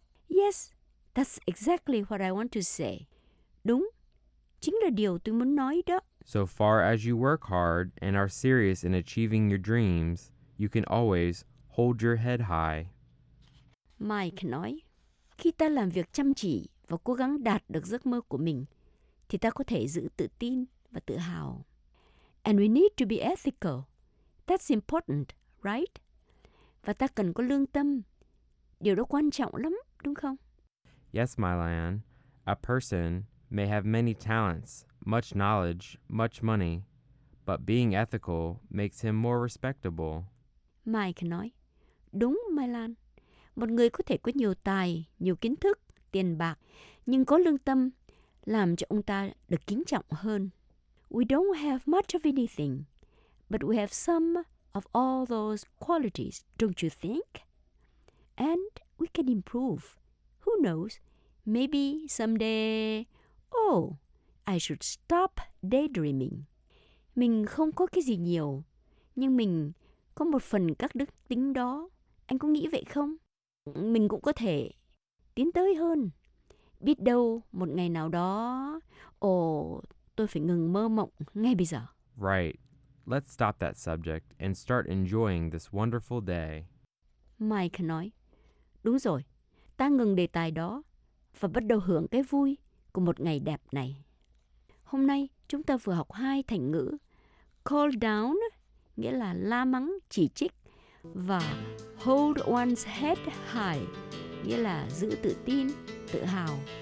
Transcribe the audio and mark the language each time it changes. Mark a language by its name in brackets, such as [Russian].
[English] Yes, that's exactly what I want to say. [Vietnamese] Đúng, chính là điều tôi muốn nói đó. [English] So far as you work hard and are serious in achieving your dreams, you can always hold your head high. [Vietnamese] Mike nói, khi ta làm việc chăm chỉ và cố gắng đạt được giấc mơ của mình, thì ta có thể giữ tự tin và tự hào. [English] And we need to be ethical. That's important, right? [Vietnamese] Và ta cần có lương tâm. Điều đó quan trọng lắm, đúng không? [English] Yes, Mylon. A person may have many talents, much knowledge, much money, but being ethical makes him more respectable. [Vietnamese] Mike nói, đúng, Mylon. Một người có thể có nhiều tài, nhiều kiến thức, tiền bạc, nhưng có lương tâm làm cho ông ta được kính trọng hơn. [English] We don't have much of anything, but we have some of all those qualities, don't you think? And we can improve. Who knows? Maybe someday, oh, I should stop daydreaming. [Vietnamese] Mình không có cái gì nhiều, nhưng mình có một phần các đức tính đó. Anh có nghĩ vậy không? Mình cũng có thể tiến tới hơn. Biết đâu một ngày nào đó, ồ, tôi phải ngừng mơ mộng ngay bây giờ. [English] Right. Let's stop that subject and start enjoying this wonderful day. [Vietnamese] Mike nói, đúng rồi, ta ngừng đề tài đó và bắt đầu hưởng cái vui của một ngày đẹp này. Hôm nay chúng ta vừa học hai thành ngữ. [English] Call down, [Vietnamese] nghĩa là la mắng, chỉ trích. Và [English] hold one's head high, [Vietnamese] nghĩa là giữ tự tin, tự hào.